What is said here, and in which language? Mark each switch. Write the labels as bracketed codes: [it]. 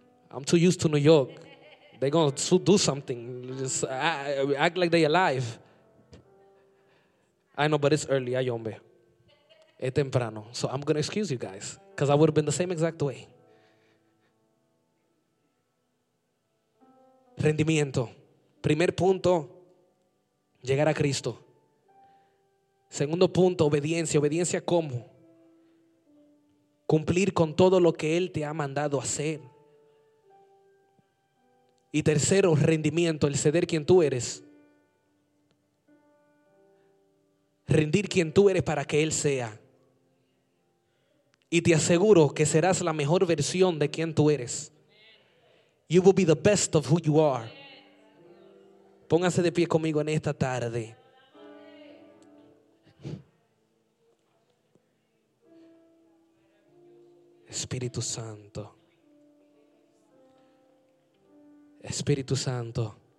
[en] I'm too used to New York. They're going to do something. Just act like they're alive. I know, but it's early. [es] Ay, hombre. Es temprano. [en] So I'm going to excuse you guys. Because I would have been the same exact way. [es] Rendimiento. Primer punto, llegar a Cristo. Segundo punto, obediencia. ¿Obediencia cómo? Cumplir con todo lo que Él te ha mandado hacer. Y tercero, rendimiento, el ceder quien tú eres. Rendir quien tú eres para que Él sea. Y te aseguro que serás la mejor versión de quien tú eres. [en] You will be the best of who you are. [es] Póngase de pie conmigo en esta tarde. Espíritu Santo. Espíritu Santo.